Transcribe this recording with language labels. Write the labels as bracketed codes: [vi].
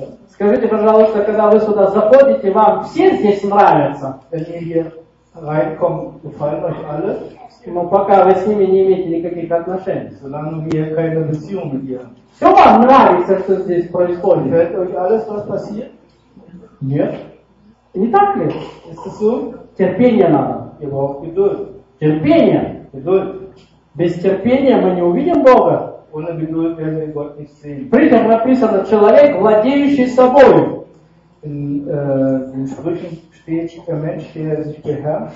[ru] Скажите, пожалуйста, когда вы сюда заходите, вам все здесь нравятся? [de] Райком gefallen euch alle? [ru] Но пока вы с ними не имеете никаких отношений. [de] Solange wir keine Beziehung mit ihr. [ru] Все вам нравится, что здесь происходит? [de] Gefällt euch alles, was passiert? [ru] Нет. Не так ли? [de] Ist das so? [ru] Терпение надо. [de] Ihr braucht Geduld. [ru] Терпение. [de] Geduld. [ru] Без терпения мы не увидим Бога. [de] Ohne Geduld werden wir Gott nicht sehen. [ru] При этом написано человек, владеющий собой. [de] In den Sprüchen steht der Mensch, der sich beherrscht.